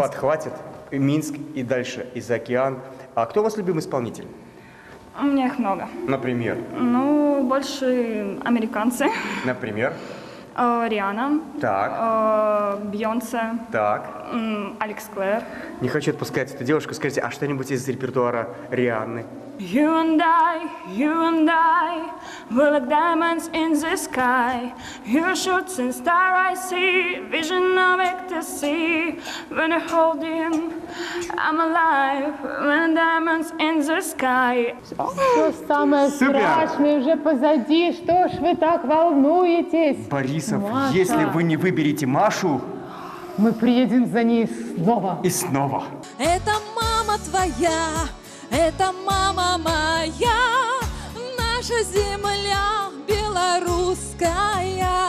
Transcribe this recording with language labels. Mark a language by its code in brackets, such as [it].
[ru] Подхватит и Минск, и дальше, и за океан. А кто у вас любимый исполнитель? У меня их много. Например? Ну, больше американцы. Например? Риана. Так. Бьонсе. Так. Алекс Клэр. Не хочу отпускать эту девушку. Скажите, а что-нибудь из репертуара Рианы? [en] You and I, we're like diamonds in the sky. You're a shooting star I see, vision of ecstasy. When I hold him, I'm alive, we're like diamonds in the sky. [ru] Все самое страшное уже позади, что ж вы так волнуетесь? Борисов, Маша. Если вы не выберете Машу... Мы приедем за ней снова. И снова. Это мама твоя. Это мама моя, наша земля белорусская.